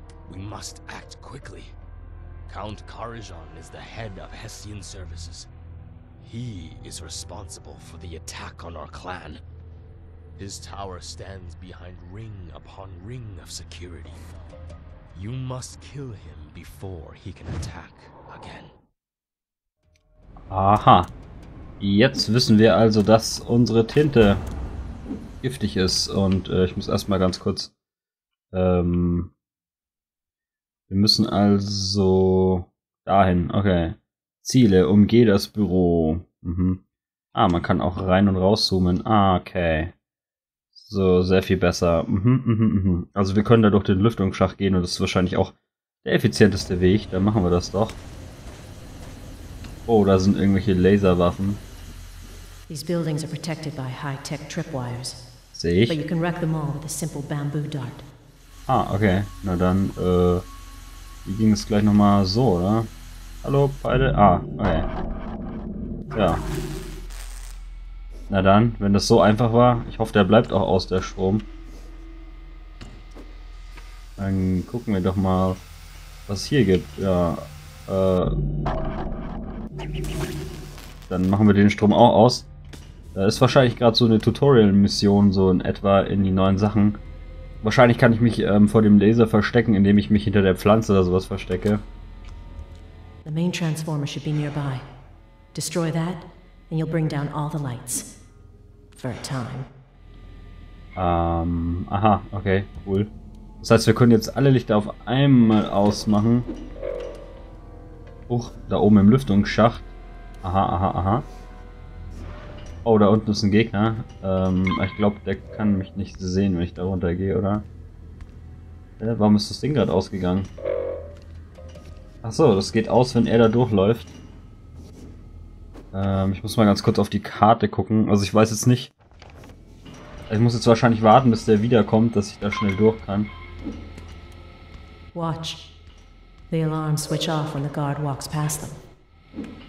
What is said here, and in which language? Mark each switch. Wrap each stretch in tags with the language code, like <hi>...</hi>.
<en>We must act quickly. Count Karajan is the head of Hessian services. He is responsible for the attack on our clan. His tower stands behind ring upon ring of security. You must kill him before he can attack again. Aha.</en> <de>Jetzt wissen wir also, dass unsere Tinte giftig ist. Und ich muss erstmal ganz kurz. Wir müssen also dahin. Okay. Ziele, umgeh das Büro. Ah, man kann auch rein und raus zoomen. Ah, okay. So, sehr viel besser. Also wir können da durch den Lüftungsschacht gehen und das ist wahrscheinlich auch der effizienteste Weg. Dann machen wir das doch. Oh, da sind irgendwelche Laserwaffen.</de> <en>These buildings are protected by high-tech tripwires.</en> <de>Sehe ich.</de> <en>But you can wreck them all with a simple bamboo dart. Ah, okay.</en> <de>Na dann, wie ging es gleich nochmal so, oder? Hallo, beide? Ah, okay. Ja. Na dann, wenn das so einfach war, ich hoffe, der bleibt auch aus, der Strom. Dann gucken wir doch mal, was hier gibt. Ja, dann machen wir den Strom auch aus. Da ist wahrscheinlich gerade so eine Tutorial-Mission, so in etwa in die neuen Sachen. Wahrscheinlich kann ich mich vor dem Laser verstecken, indem ich mich hinter der Pflanze oder sowas verstecke.</de> <en>The main transformer should be nearby. Destroy that, and you'll bring down all the lights. For a time. Aha, okay, cool.</en> <de>Das heißt, wir können jetzt alle Lichter auf einmal ausmachen. Huch, da oben im Lüftungsschacht. Aha, aha, aha. Oh, da unten ist ein Gegner. Ich glaube, der kann mich nicht sehen, wenn ich da runtergehe, oder? Warum ist das Ding gerade ausgegangen? Ach so, das geht aus, wenn er da durchläuft. Ich muss mal ganz kurz auf die Karte gucken. Also ich weiß jetzt nicht. Ich muss jetzt wahrscheinlich warten, bis der wiederkommt, dass ich da schnell durch kann.</de> <en>Watch. The alarm switch off when the guard walks past them.</en>